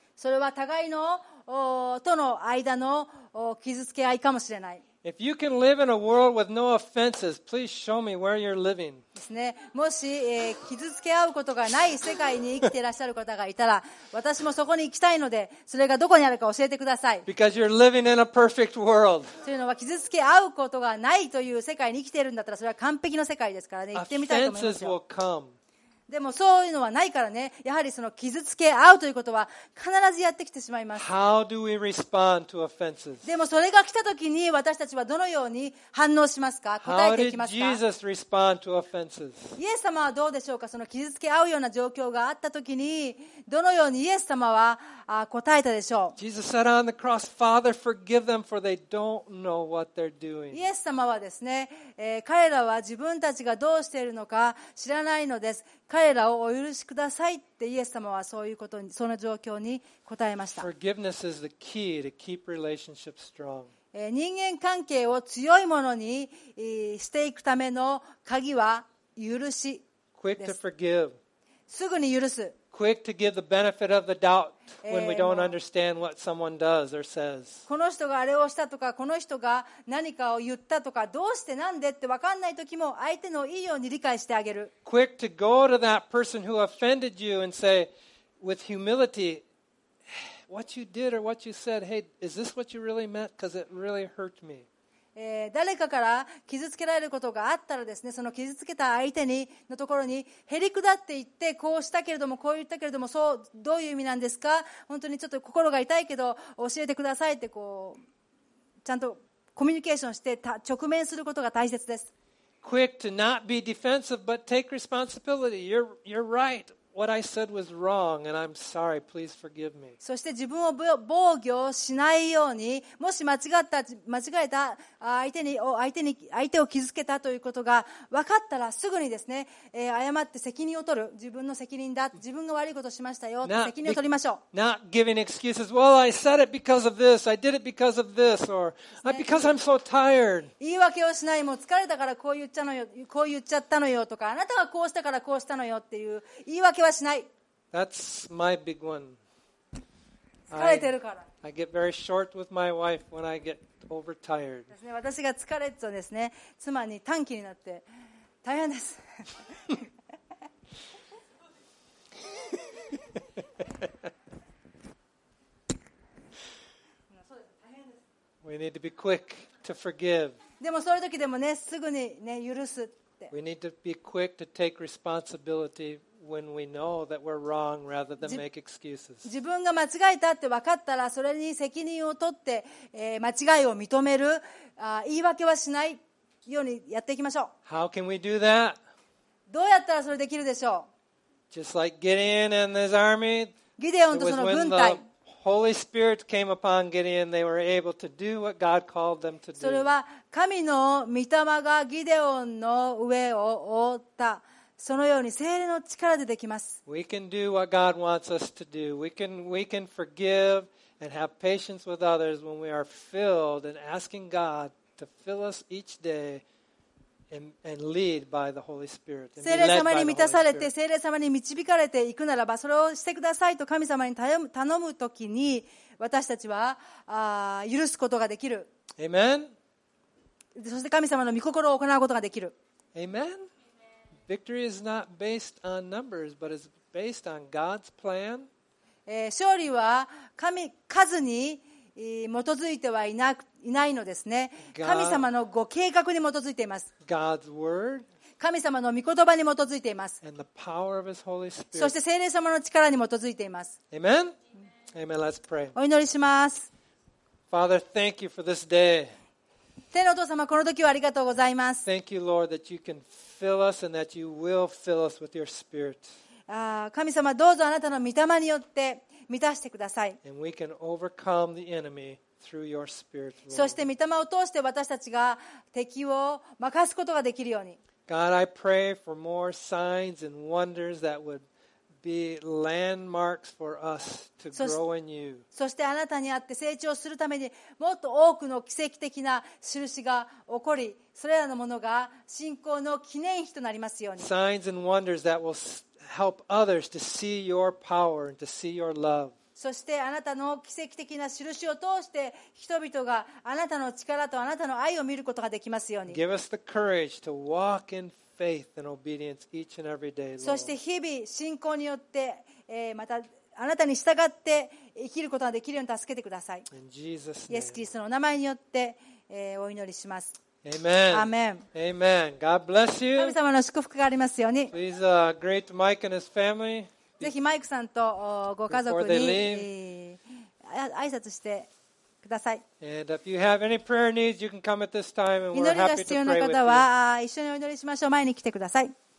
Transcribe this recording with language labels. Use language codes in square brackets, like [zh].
[ja] それは互いのとの間の傷つけ合いかもしれない。 [en] If you can live in a world with no offenses, please show me where you're living. [ja] ですね。もし、傷つけ合うことがない世界に生きていらっしゃる方がいたら、私もそこに行きたいので、それがどこにあるか教えてください。 [en] Because you're living in a perfect world. [ja] というのは、傷つけ合うことがないという世界に生きているんだったら、それは完璧の世界ですからね。行ってみたいと思いますよ。 [en] Offenses will come. [ja] でもそういうのはないからね、やはりその傷つけ合うということは必ずやってきてしまいます。 [en] How do we respond to offenses? [ja] でもそれが来た時に私たちはどのように反応しますか、答えていきますか。 [en] How did Jesus respond to offenses? [ja] イエス様はどうでしょうか、その傷つけ合うような状況があった時にどのようにイエス様は答えたでしょう。 [en] Jesus said on the cross, Father, forgive them for they don't know what they're doing. [ja] イエス様はですね、彼らは自分たちがどうしているのか知らないのです、彼らをお許しくださいってイエス様はそういうことに、その状況に答えました。 [en] Forgiveness is the key to keep relationships strong. [ja] 人間関係を強いものにしていくための鍵は許しです。 [en] Quick to forgive. [ja] すぐに許す。 [en] Quick to give the benefit of the doubt when we don't understand what someone does or says. [ja] この人があれをしたとか、この人が何かを言ったとか、どうしてなんでって分かんない時も相手のいいように理解してあげる。 [en] Quick to go to that person who offended you and say with humility, what you did or what you said, hey, is this what you really meant? Because it really hurt me. [ja] 誰かから傷つけられることがあったらですね、その傷つけた相手にのところにへりくだって言って、こうしたけれどもこう言ったけれども、そうどういう意味なんですか、本当にちょっと心が痛いけど教えてくださいって、こうちゃんとコミュニケーションして直面することが大切です。 [en] Quick to not be defensive but take responsibility. You're right. What I said was wrong, and I'm sorry. Please forgive me. [ja] そして自分を防御しないように、もし間違えた相手を傷つけたということが分かったら、すぐにですね、謝って責任を取る。自分の責任だ。自分が悪いことをしましたよ。責任を取りましょう。 [en] Not giving excuses. Well, I said it because of this. I did it because of this. Or because I'm so tired. [ja] 言い訳をしない。もう疲れたからこう言っちゃのよ。こう言っちゃったのよとか、あなたがこうしたからこうしたのよっていう言い訳。 [en] That's my big one. [ja] 疲れてるから。 [en] I get very short with my wife when I get overtired. [ja] 私が疲れるとですね、妻に短気になって大変です。 [en] We need to be quick to forgive. [ja] でもそういう時でもね、すぐにね、許すって。 [en] We need to be quick to take responsibility. When we know that we're wrong, rather than make excuses. [ja] 自分が間違えたって分かったら、それに責任を取って、間違いを認める、言い訳はしないようにやっていきましょう。 [en] How can we do that? [ja] どうやったらそれできるでしょう。 [en] Just like Gideon and his army, [ja] ギデオンとその軍隊。 [en] Holy Spirit came upon Gideon. They were able to do what God called them to do. [ja] それは神の御霊がギデオンの上を覆った。そのように聖霊の力でできます。 [en] We can do what God wants us to do. We can forgive and have patience with others when we are filled and asking God to fill us each day and lead by the Holy Spirit. [ja] 聖霊様に満たされて聖霊様に導かれていくならば、それをしてくださいと神様に頼むときに私たちは許すことができる。 [en] Amen. [ja] そして神様の御心を行うことができる。 [en] Amen. Victory is not based on numbers, but is based on God's plan. [ja] 勝利は神数に基づいてはいないのですね。神様のご計画に基づいています。 [en] God's word。 [ja] 神様の御言葉に基づいています。 [en] And the power of His Holy Spirit。 [ja] そして聖霊様の力に基づいています。 [en] Amen. Amen. Let's pray. [ja] お祈りします。 [en] Father, thank you for this day. [ja] 天のお父様、この時はありがとうございます。 [en] Thank you, Lord, that you can fill us and that you will fill us with your Spirit. [ja] 神様、どうぞあなたの御霊によって満たしてください。 [en] And we can overcome the enemy through your spirit, Lord. [ja] そして御霊を通して私たちが敵を負かすことができるように。 [en] God, I pray for more signs and wonders that would be landmarks for us to grow in you. [ja] そしてあなたにあって成長するためにもっと多くの奇跡的な印が起こり、それらのものが信仰の記念碑となりますように。 [en] Signs and wonders that will help others to see your power and to see your love. [ja] そしてあなたの奇跡的な印を通して人々があなたの力とあなたの愛を見ることができますように。 [en] Give us the courage to walk in faith and obedience each and every day, Lord. [ja] そして日々信仰によってまたあなたに従って生きることができるように助けてください。 [en] In Jesus' name. [ja] イエス・キリストの名前によってお祈りします。 [en] Amen. Amen. Amen. God bless you. [ja] 神様の祝福がありますように。 [en] Please greet Mike and his family. [ja] ぜひマイクさんとご家族に挨拶してください。 [en] And if you have any prayer needs, you can come at this time, and we're happy to pray with you. [ja] 祈りが必要な方は一緒にお祈りしましょう。前に来てください。